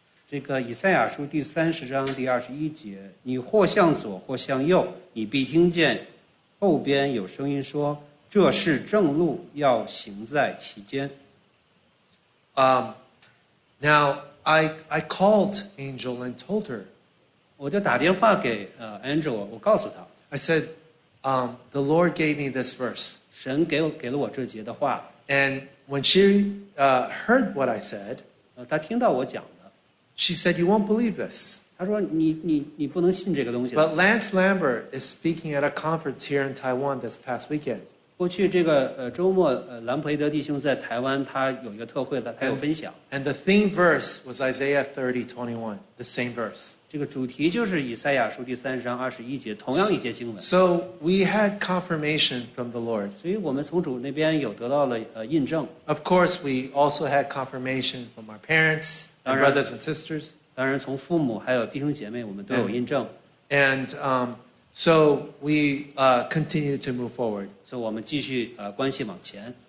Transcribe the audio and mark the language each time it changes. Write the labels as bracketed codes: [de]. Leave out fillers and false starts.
[zh] 这个以赛亚书第三十章第二十一节，你或向左，或向右，你必听见后边有声音说，这是正路，要行在其间。 [en] Now I called Angel and told her. [zh] 我就打电话给Angel， 我告诉她。 [en] I said. The Lord gave me this verse. [zh] 神给了我这节的话。 [en] And when she heard what I said, [zh] 她听到我讲的。 [en] She said, "You won't believe this." [zh] 她说你不能信这个东西。 [en] But Lance Lambert is speaking at a conference here in Taiwan this past weekend. [zh] 过去这个周末，兰培德弟兄在台湾，他有一个特会的，他有分享。 [en] And the theme verse was Isaiah 30:21, the same verse. [zh] 这个主题就是以赛亚书第三十章二十一节，同样一节经文。 [en] So we had confirmation from the Lord. [zh] 所以我们从主那边有得到了印证。 [en] Of course, we also had confirmation from our parents, and brothers and sisters. [zh] 当然，从父母还有弟兄姐妹，我们都有印证。 [en] And so we continued to move forward. [zh] 所以我们继续关系往前。